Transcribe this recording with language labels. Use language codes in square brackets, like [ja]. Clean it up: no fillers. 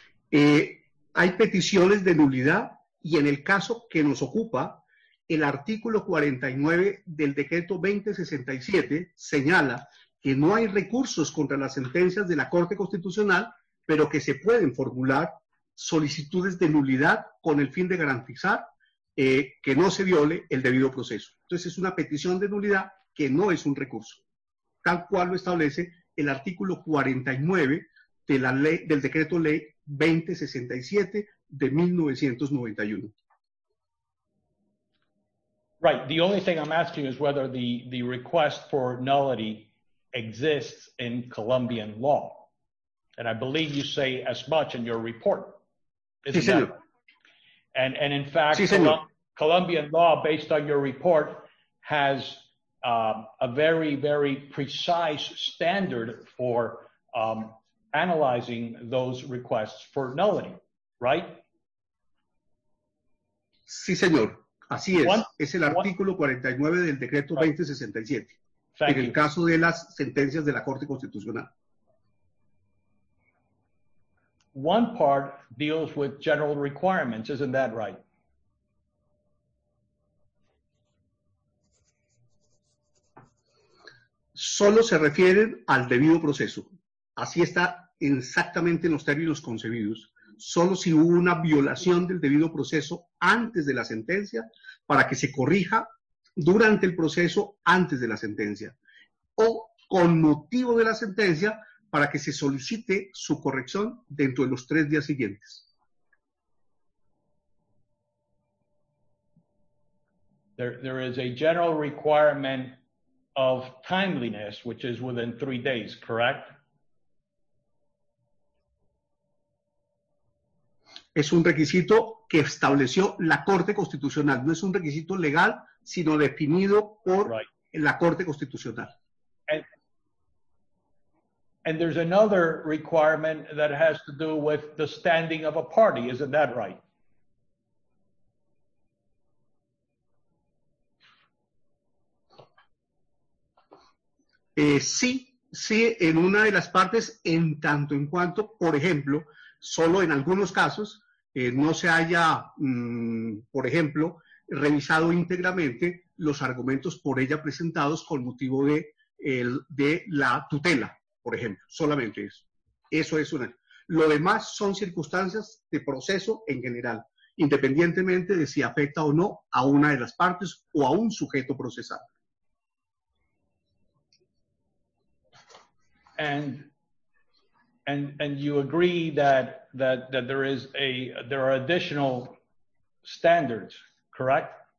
[es] Hay peticiones de nulidad y en el caso que nos ocupa, el artículo 49 del decreto 2067 señala que no hay recursos contra las sentencias de la Corte Constitucional, pero que se pueden formular solicitudes de nulidad con el fin de garantizar que no se viole el debido proceso. Entonces es una petición de nulidad que no es un recurso, tal cual lo establece el artículo 49 de la ley, del decreto ley 2067 de 1991. [en] Right. The only thing I'm asking is whether the request for nullity exists in Colombian law. And I believe you say as much in your report. [es] Sí, señor. [en] That? And in fact, [es] sí, señor. [en] Colombian law, based on your report, has a very, very precise standard for analyzing those requests for nullity, right? [es] Sí, señor. Así es. Es el artículo 49 del decreto 2067. [en] Thank [es] en el [en] you. [es] Caso de las sentencias de la Corte Constitucional. [en] One part deals with general requirements, isn't that right? [es] Solo se refieren al debido proceso. Así está exactamente en los términos concebidos, solo si hubo una violación del debido proceso antes de la sentencia, para que se corrija durante el proceso antes de la sentencia, o con motivo de la sentencia para que se solicite su corrección dentro de los 3 días siguientes. [en] There is a general requirement of timeliness, which is within 3 days, correct? [es] Es un requisito que estableció la Corte Constitucional. No es un requisito legal, sino definido por [en] right. [es] la Corte Constitucional. [en] And there's another requirement that has to do with the standing of a party. Isn't that right? [es] Sí, en una de las partes, en tanto en cuanto, por ejemplo, solo en algunos casos, no se haya, por ejemplo, revisado íntegramente los argumentos por ella presentados con motivo de, el, de la tutela, por ejemplo, solamente eso. Eso es una. Lo demás son circunstancias de proceso en general, independientemente de si afecta o no a una de las partes o a un sujeto procesado. [en] And you agree that there is a there are additional standards, correct?